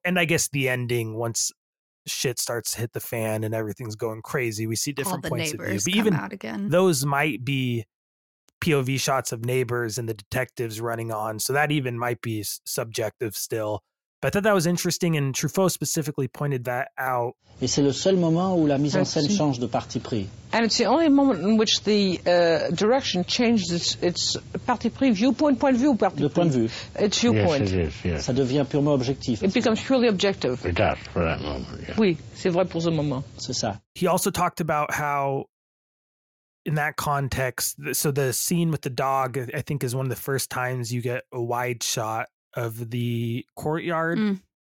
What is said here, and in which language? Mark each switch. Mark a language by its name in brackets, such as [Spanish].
[English] And I guess the ending, once shit starts to hit the fan and everything's going crazy, we see different points of view. But even out again. Those might be POV shots of neighbors and the detectives running on. So that even might be subjective still. But I thought that was interesting, and Truffaut specifically pointed that out. [French] Et c'est le seul moment où la mise en scène change de parti pris. [English] And it's the only moment in which the direction changes its parti pris, viewpoint, point of view, parti pris. [French] De point de vue. [English] It's viewpoint. Yes, it is, yes. [French] Ça devient purement objectif. [English] It becomes purely objective. It does, for that moment, yeah. [French] Oui, c'est vrai pour ce moment. C'est ça. [English] He also talked about how, in that context, so the scene with the dog, I think, is one of the first times you get a wide shot of the courtyard. Mm.